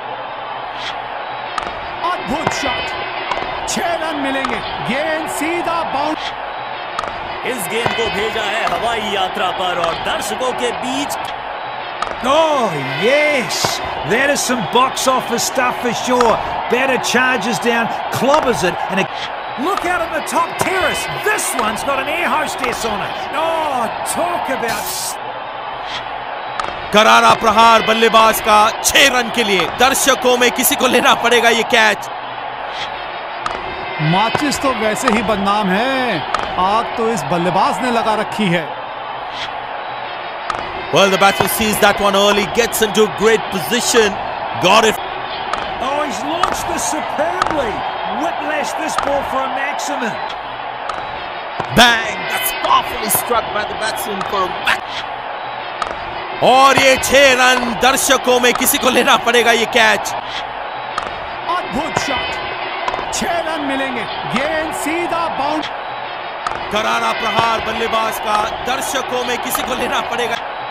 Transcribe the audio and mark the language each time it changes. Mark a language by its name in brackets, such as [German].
[Hindi] अद्भुत शॉट, छह रन मिलेंगे, गेंद सीधा बाउंस। इस गेंद को भेजा है हवाई यात्रा पर और दर्शकों के बीच। [English] Oh yes, that is some box office stuff for sure. Batter charges down, clobbers it, and look out on the top terrace. This one's got an air hostess on it. Oh, talk about. [Hindi] करारा प्रहार बल्लेबाज का, छह run के लिए। दर्शकों में किसी को लेना पड़ेगा ये कैच। माचिस तो वैसे ही बदनाम है, आग तो इस बल्लेबाज ने लगा रखी है। [English] Well, the batsman sees that one early, gets into a great position, got it. Oh, he's launched this superbly, whiplashed this ball for a maximum. Bang, that's powerfully struck by the batsman for a match. [Hindi] और ये छह run, दर्शकों में किसी को लेना पड़ेगा ये कैच। अद्भुत शॉट, छह रन मिलेंगे, गेंद सीधा बाउंस। करारा प्रहार बल्लेबाज का, दर्शकों में किसी को लेना पड़ेगा।